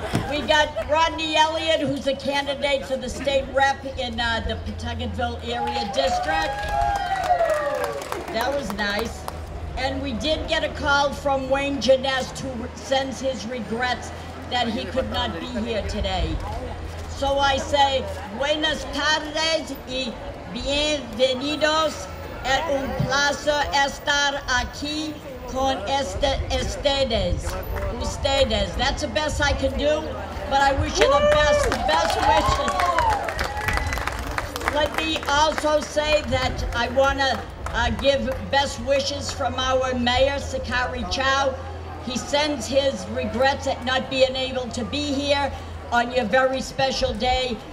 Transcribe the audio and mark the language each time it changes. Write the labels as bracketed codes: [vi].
[en] We got Rodney Elliott, who's a candidate for the state rep in the Pawtucketville area district. That was nice. And we did get a call from Wayne Genest, who sends his regrets that he could not be here today. So I say, [es] buenas tardes y bienvenidos. Es un placer estar aquí con ustedes. Ustedes. [en] That's the best I can do, but I wish you the best, wishes. Let me also say that I want to give best wishes from our mayor, Sicari Chow. He sends his regrets at not being able to be here on your very special day.